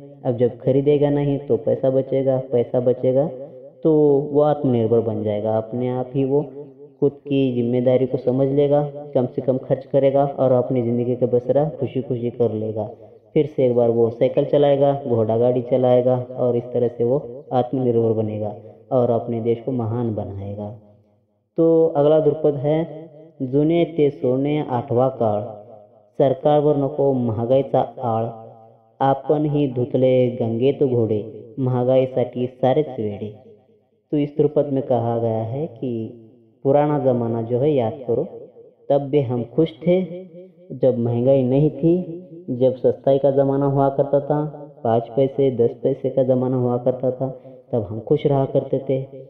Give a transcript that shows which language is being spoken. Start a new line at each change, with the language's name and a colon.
Hindi: अब जब खरीदेगा नहीं तो पैसा बचेगा, पैसा बचेगा तो वो आत्मनिर्भर बन जाएगा, अपने आप ही वो खुद की जिम्मेदारी को समझ लेगा, कम से कम खर्च करेगा और अपनी ज़िंदगी का बसरा खुशी खुशी कर लेगा। फिर से एक बार वो साइकिल चलाएगा, घोड़ा गाड़ी चलाएगा और इस तरह से वो आत्मनिर्भर बनेगा और अपने देश को महान बनाएगा। तो अगला ध्रुपद है,
Marathi: जुने ते सोने आठवा काल, सरकार वर नको महागाईचा आळ, आपण ही धुतले गंगेत घोडे, महागाईसाठी सारेच वेडे।
Hindi: तो इस ध्रुपद में कहा गया है कि पुराना ज़माना जो है याद करो, तब भी हम खुश थे जब महंगाई नहीं थी, जब सस्ताई का ज़माना हुआ करता था, 5 पैसे 10 पैसे का ज़माना हुआ करता था, तब हम खुश रहा करते थे।